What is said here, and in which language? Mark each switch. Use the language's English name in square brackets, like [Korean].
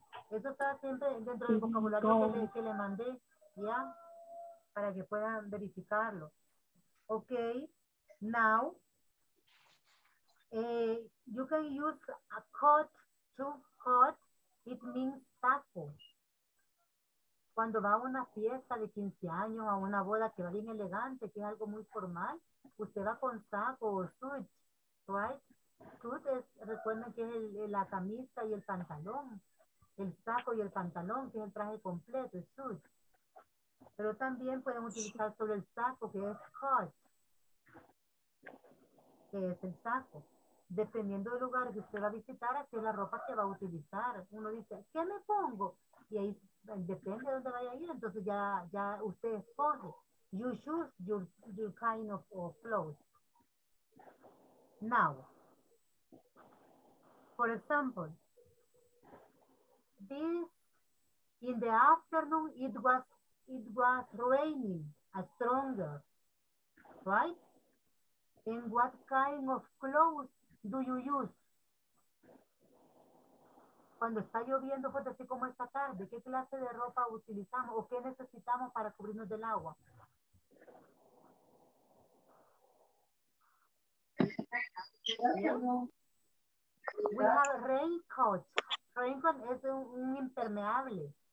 [Spanish] Eso está siempre dentro del vocabulario que le mandé. Yeah, para que puedan verificarlo. [English] Okay, now you can use a coat to coat. It means taco. [Spanish] Cuando va a una fiesta de 15 años, a una boda que va bien elegante, que es algo muy formal, usted va con saco o suit, right? Suit es, recuerden que es la camisa y el pantalón. El saco y el pantalón, que es el traje completo, el suit. Pero también pueden utilizar sobre el saco, que es coat, que es el saco. Dependiendo del lugar que usted va a visitar, así es la ropa que va a utilizar. Uno dice, ¿qué me pongo? Y ahí depende de dónde vaya a ir, entonces ya usted escoge. [English] You choose your kind of clothes. Now, for example, this, in the afternoon, it was raining. stronger, right? And what kind of clothes do you use? [Spanish] Cuando está lloviendo, pues así como esta tarde, ¿qué clase de ropa utilizamos o qué necesitamos para cubrirnos del agua? [English] We have a raincoat. Raincoat [Spanish] es un impermeable.